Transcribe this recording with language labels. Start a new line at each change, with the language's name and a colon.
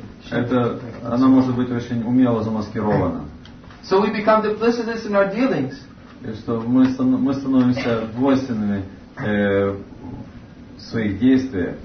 Russian: Это, она может быть очень умело замаскирована.
English: So we become duplicitous in our dealings.
Russian: И что мы становимся двойственными в своих действиях.